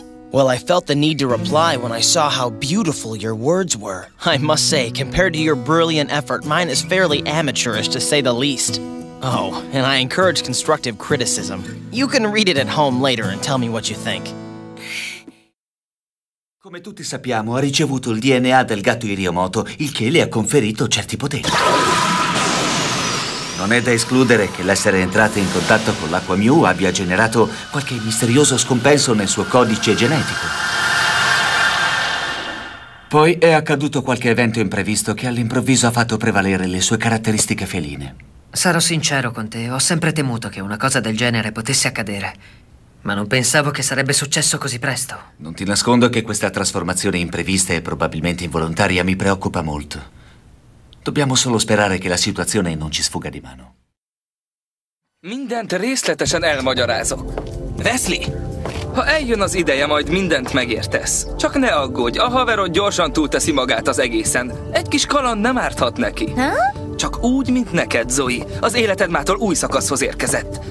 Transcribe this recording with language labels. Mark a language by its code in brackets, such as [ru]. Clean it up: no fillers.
[en] Well, I felt the need to reply when I saw how beautiful your words were. I must say, compared to your brilliant effort, mine is fairly amateurish, to say the least. Oh, and I encourage constructive criticism. You can read it at home later and tell me what you think. [it] Come tutti sappiamo, ha ricevuto il DNA del gatto Iriomoto, il che le ha conferito certi poteri. Non è da escludere che l'essere entrata in contatto con l'acqua Mew abbia generato qualche misterioso scompenso nel suo codice genetico. Poi è accaduto qualche evento imprevisto che all'improvviso ha fatto prevalere le sue caratteristiche feline. Sarò sincero con te, ho sempre temuto che una cosa del genere potesse accadere. Ma non pensavo che sarebbe successo così presto. Non ti nascondo che questa trasformazione imprevista e probabilmente involontaria mi preoccupa molto. Dobbiamo solo sperare che la situazione non ci sfugga di mano. [hu] Mindent részletesen elmagyarázok. Wesley, ha eljön az ideje, majd mindent megértesz. Csak ne aggódj, a haverod gyorsan túlteszi magát az egészen. Egy kis kaland nem árthat neki. Csak úgy, mint neked, Zoe. Az életed mától új szakaszhoz érkezett.